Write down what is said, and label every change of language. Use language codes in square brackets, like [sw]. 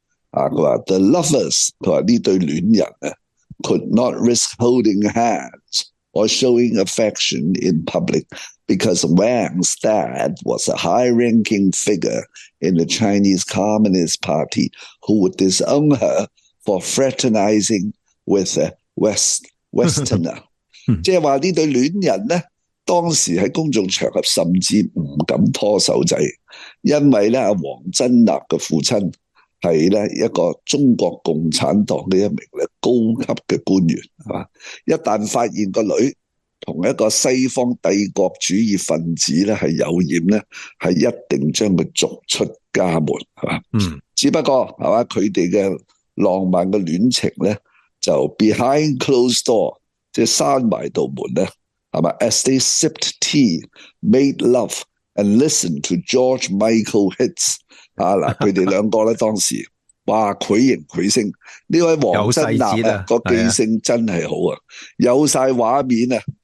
[yue] 啊，佢话 [en] the lovers， [yue] 佢话呢对恋人啊 [en] ，could not risk holding hands or showing affection in public because Wang's dad was a high-ranking figure in the Chinese Communist Party who would disown her for fraternizing with a Westerner。 [yue] 即系话呢对恋人咧。当时喺公众场合甚至唔敢拖手仔，因为咧王珍娜嘅父亲系咧一个中国共产党嘅一名咧高级嘅官员，系嘛？一旦发现个女同一个西方帝国主义分子咧系有染咧，系一定将佢逐出家门，系嘛？嗯，只不过系嘛，佢哋嘅浪漫嘅恋情咧就 [en] behind closed door， [yue] 即系闩埋道门咧。 [en] As they sipped tea, made love, and listened to George Michael hits. [yue] 啊，嗱，佢哋两个咧当时，哇，鬼形鬼声。呢位王珍娜咧个记性真系好啊，有晒画面啊。